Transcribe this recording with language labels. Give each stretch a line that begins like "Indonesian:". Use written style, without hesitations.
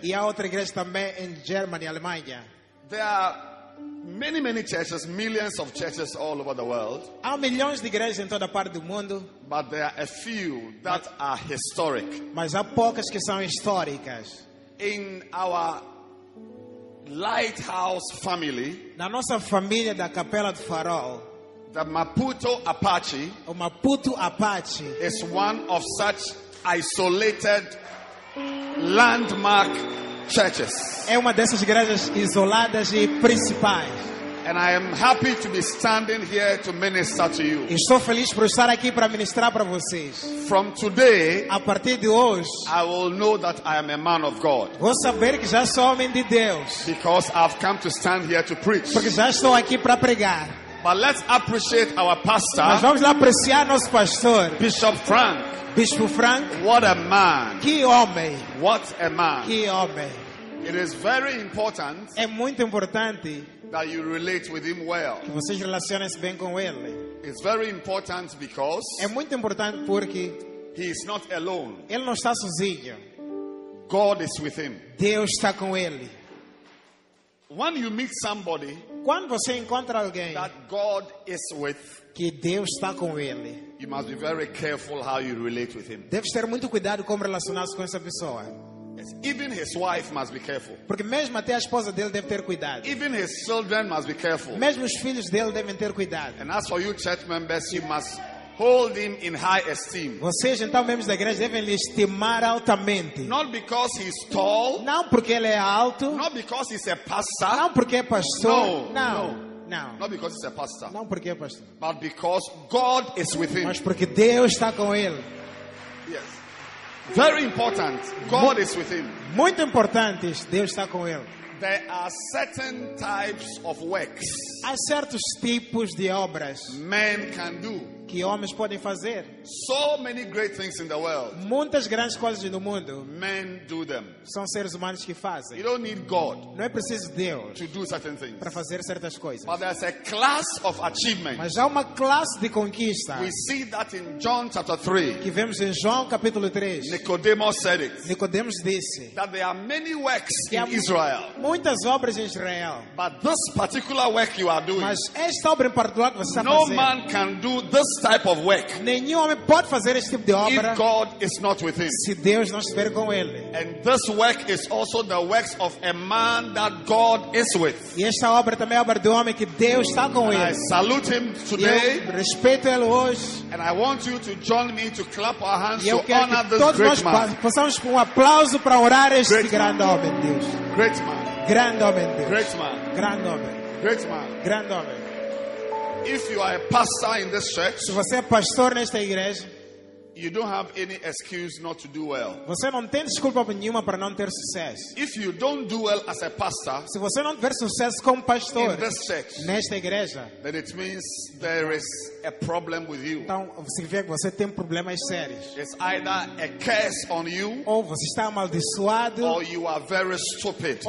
Portuguese: E há outra igreja também em Germany, Alemanha.
English: There are many, many churches, millions of churches all over the world.
Portuguese: Há milhões de igrejas em toda parte do mundo.
English: But there are a few that are historic.
Portuguese: Mas há poucas que são históricas.
English: In our Lighthouse family,
Portuguese: na nossa família da Capela do Farol,
English: the Maputo Apache,
Portuguese: o Maputo Apache,
English: is one of such isolated landmark churches.
Portuguese: É uma dessas igrejas isoladas e principais.
English: And I am happy to be standing here to minister to you.
Portuguese: Estou feliz por estar aqui para ministrar para vocês.
English: From today,
Portuguese: a partir de hoje,
English: I will know that I am a man of God.
Portuguese: Vou saber que já sou homem de Deus.
English: Because I've come to stand here to preach.
Portuguese: Porque já estou aqui para pregar.
English: But let's appreciate our pastor.
Portuguese: Mas vamos lá apreciar nosso pastor.
English: Bishop Frank.
Portuguese: Bispo Frank.
English: What a man.
Portuguese: Que homem.
English: What a man.
Portuguese: Que homem.
English: It is very important.
Portuguese: É muito importante.
English: That you relate with him well.
Portuguese: Que vocês relacionem-se bem com ele.
English: It's very important because.
Portuguese: É muito importante porque.
English: He is not alone.
Portuguese: Ele não está sozinho.
English: God is with him.
Portuguese: Deus está com ele.
English: When you meet somebody.
Portuguese: Quando você encontra alguém.
English: That God is with.
Portuguese: Que Deus está com ele.
English: You must be very careful how you relate with him.
Portuguese: Deve ter muito cuidado como relacionar-se com essa pessoa.
English: Yes, even his wife must be careful.
Portuguese: Porque mesmo até a esposa dele deve ter cuidado.
English: Even his children must be careful.
Portuguese: Mesmo os filhos dele devem ter cuidado.
English: And as for you church members, you must hold him in high esteem.
Portuguese: Vocês então membros da igreja devem lhe estimar altamente.
English: Not because he's tall.
Portuguese: Não porque ele é alto.
English: Not because he's a pastor.
Portuguese: Não porque é pastor.
English: No. Not because he's a pastor.
Portuguese: Não porque é pastor.
English: But because God is with him.
Portuguese: Mas porque Deus está com ele.
English: Yes. Very important. God is with him.
Portuguese: Muito importante, Deus está com ele.
English: There are certain types of works.
Portuguese: Há certos tipos de obras.
English: Men can do.
Portuguese: Que homens podem fazer.
English: So many great things in the world.
Portuguese: Muitas grandes coisas no mundo.
English: Men do them.
Portuguese: São seres humanos que fazem.
English: You don't need God.
Portuguese: Não é preciso Deus.
English: To do certain things.
Portuguese: Para fazer certas coisas.
English: But there's a class of achievement.
Portuguese: Mas há uma classe de conquista.
English: We see that in John chapter 3.
Portuguese: Que vemos em João capítulo 3.
English: Nicodemus said it.
Portuguese: Nicodemus disse.
English: That there are many works in Israel.
Portuguese: Muitas obras em Israel.
English: But this particular work you are doing.
Portuguese: Mas esta obra em particular que você está no fazendo.
English: No man can do this type of work.
Portuguese: Nenhum homem pode fazer esse tipo de obra.
English: If God is not with him.
Portuguese: Se Deus não estiver com ele.
English: And this work is also the works of a man that God is with.
Portuguese: E esta obra também é obra do homem que Deus está com ele.
English: I salute him today.
Portuguese: Eu respeito ele hoje.
English: And I want you to join me to clap our hands to honor this great man.
Portuguese: E eu quero que todos nós possamos com um aplauso para honrar este grande homem, Deus.
English: Great man.
Portuguese: Grande homem, Deus.
English: Great man.
Portuguese: Grande homem.
English: Great man.
Portuguese: Grande homem.
English: If you are a pastor in this church,
Portuguese: se você é pastor nesta igreja,
English: you don't have any excuse not to do well.
Portuguese: Você não tem desculpa nenhuma para não ter sucesso.
English: If you don't do well as a pastor,
Portuguese: se você não tiver sucesso como pastor
English: in this church,
Portuguese: nesta igreja,
English: then it means there is a problem with you.
Portuguese: Então significa que você tem problemas sérios.
English: It's either a curse on you,
Portuguese: ou você está amaldiçoado,
English: or you are very stupid,